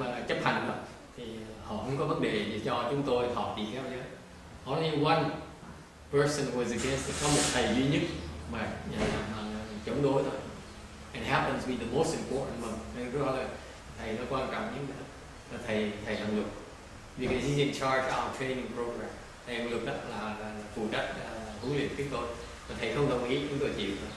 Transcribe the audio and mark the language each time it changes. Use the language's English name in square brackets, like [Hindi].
[Vietnamese] mà chấp hành rồi thì họ không có vấn đề gì cho chúng tôi thọ tỳ kheo giới. [English] Only one person was against it. [Vietnamese] Có một thầy duy nhất mà chống đối thôi. [English] And happens to be the most important one. [Vietnamese] And rất là thầy nó quan trọng nhất là thầy Hằng Lục. [English] Because he's in charge of our training program. [Vietnamese] Thầy Hằng Lục là phụ trách huấn luyện chúng tôi. Mà thầy không đồng ý, chúng tôi chịu.